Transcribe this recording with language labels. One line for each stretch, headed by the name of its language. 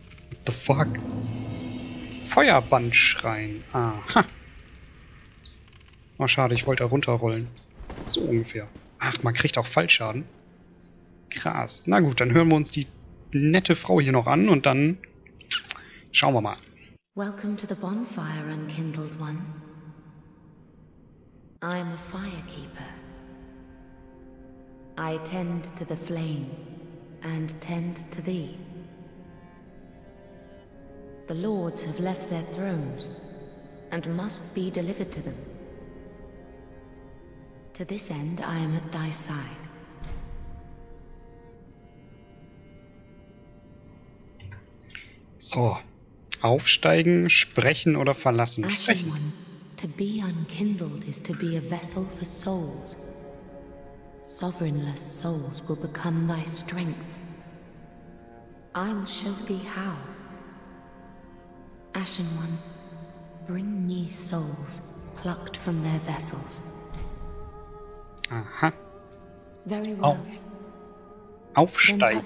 English: What the fuck? Feuerbandschrein. Aha.
German: Oh, schade, ich wollte da runterrollen. So ungefähr. Ach, man kriegt auch Fallschaden. Krass. Na gut, dann hören wir uns die nette Frau hier noch an und dann schauen wir mal.
English: Welcome to the bonfire, unkindled one. I'm a firekeeper. I tend to the flame and tend to thee. The lords have left their thrones and must be delivered to them. To this end, I am at thy side.
German: So, aufsteigen, sprechen oder verlassen. Sprechen.
English: One, to be unkindled is to be a vessel for souls. Sovereignless souls will become thy strength. I will show thee how. Ashen One, bring me souls plucked from their vessels. Aha. Very well.
German: Aufsteigen.